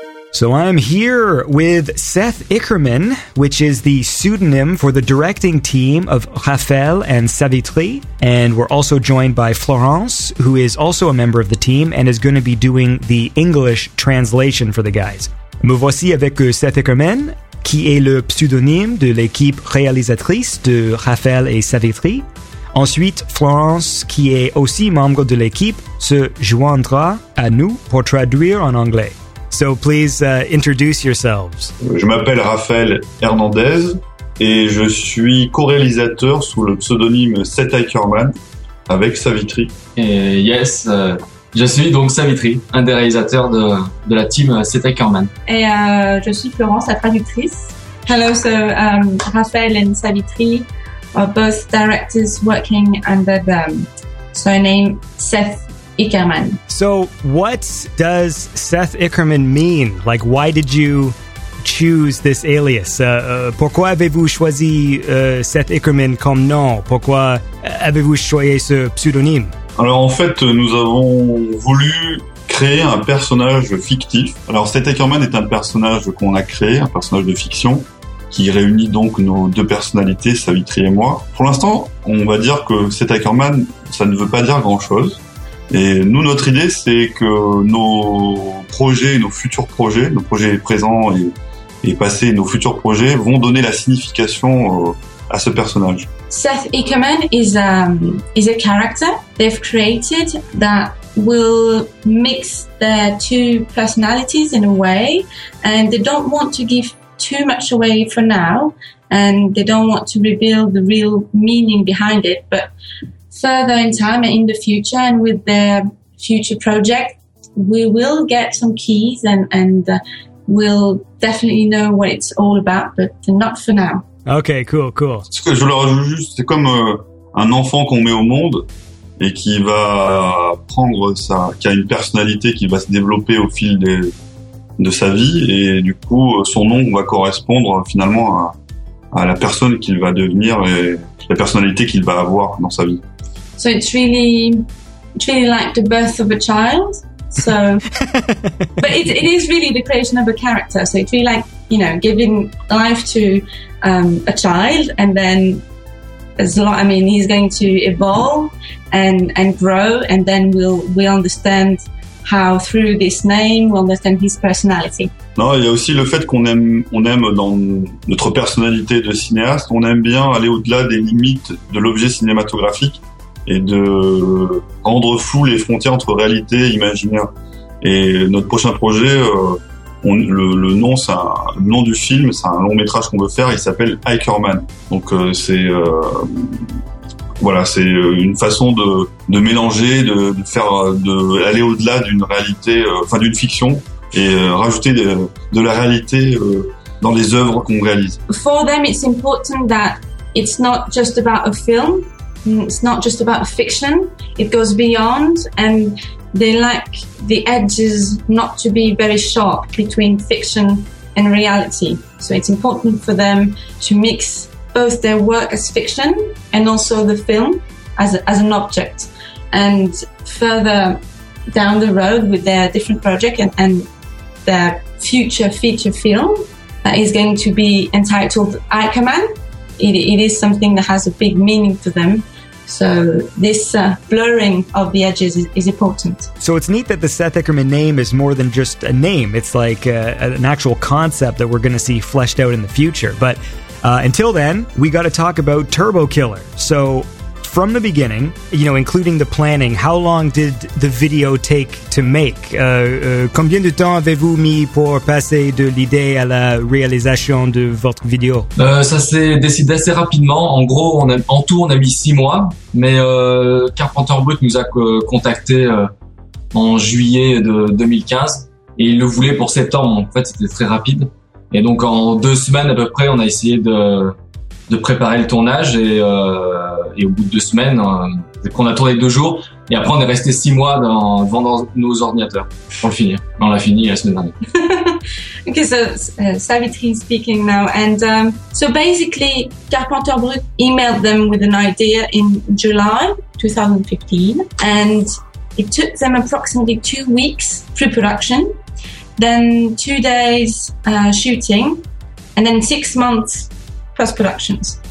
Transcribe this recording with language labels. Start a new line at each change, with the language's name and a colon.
English: So I'm here with Seth Ickerman, which is the pseudonym for the directing team of Raphaël and Savitri. And we're also joined by Florence, who is also a member of the team and is going to be doing the English translation for the guys.
French: Me voici avec Seth Ickerman, qui est le pseudonyme de l'équipe réalisatrice de Raphaël et Savitri. Ensuite, Florence, qui est aussi membre de l'équipe, se joindra à nous pour traduire en anglais.
English: So please introduce yourselves.
French: Je m'appelle Raphaël Hernandez et je suis co-réalisateur sous le pseudonyme Seth Ickerman avec Savitri. Je suis donc Savitri, un des réalisateurs de la team Seth Ickerman. Et je suis Florence, la traductrice.
English: Hello, so Raphaël and Savitri are both directors working under the surname Seth Ickerman. So what does Seth Ickerman mean? Like, why did you choose this alias?
French: Pourquoi avez-vous choisi Seth Ickerman comme nom? Pourquoi avez-vous choisi ce pseudonyme? Alors en fait, nous avons voulu créer un personnage fictif. Alors Seth Ickerman est un personnage qu'on a créé, un personnage de fiction, qui réunit donc nos deux personnalités, Savitri et moi. Pour l'instant, on va dire que Seth Ickerman, ça ne veut pas dire grand-chose. Et nous, notre idée, c'est que nos projets, nos futurs projets, nos projets présents et passés, nos futurs projets, vont donner la signification à ce personnage.
English: Seth Ickerman is a character they've created that will mix their two personalities in a way, and they don't want to give too much away for now, and they don't want to reveal the real meaning behind it, but further in time and in the future and with their future project, we will get some keys and we'll definitely know what it's all about, but not for now. Okay, cool.
French: Ce que je leur ajoute juste, c'est comme un enfant qu'on met au monde et qui va prendre sa, qui a une personnalité qui va se développer au fil de sa vie, et du coup son nom va correspondre finalement à la personne qu'il va devenir et la personnalité qu'il va avoir dans sa vie.
English: So it's really like the birth of a child. So, but it is really the creation of a character. So it's really like, you know, giving life to a child, and then he's going to evolve and grow, and then we understand how through this name we understand his personality.
French: Non, il y a aussi le fait qu'on aime dans notre personnalité de cinéaste, on aime bien aller au-delà des limites de l'objet cinématographique et de rendre fou les frontières entre réalité et imaginaire. Et notre prochain projet, le nom du film, c'est un long métrage qu'on veut faire, il s'appelle Ickerman. Donc c'est une façon de mélanger, de aller au-delà d'une réalité, enfin d'une fiction, et rajouter de la réalité dans les œuvres qu'on réalise.
English: For them, it's important that it's not just about a film. It's not just about fiction, it goes beyond, and they like the edges not to be very sharp between fiction and reality. So it's important for them to mix both their work as fiction and also the film as an object. And further down the road with their different project and their future feature film that is going to be entitled Ickerman, it is something that has a big meaning for them. So this blurring of the edges is important. So it's neat that the Seth Ickerman name is more than just a name. It's like an actual concept that we're going to see fleshed out in the future. But until then, we got to talk about Turbo Killer. So from the beginning, you know, including the planning, how long did the video take to make?
French: Combien de temps avez-vous mis pour passer de l'idée à la réalisation de votre vidéo? Ça s'est décidé assez rapidement. En gros, on a mis 6 mois, mais Carpenter Brut nous a contacté en juillet de 2015 et il le voulait pour septembre. En fait, c'était très rapide. Et donc, en 2 semaines à peu près, on a essayé de préparer le tournage et au bout de 2 semaines, on a tourné 2 jours et après on est resté 6 mois devant nos ordinateurs pour le finir. On l'a fini la semaine dernière.
English: Okay, so Savitri speaking now, and so basically Carpenter Brut emailed them with an idea in July 2015, and it took them approximately 2 weeks pre-production, then 2 days shooting, and then 6 months post-productions.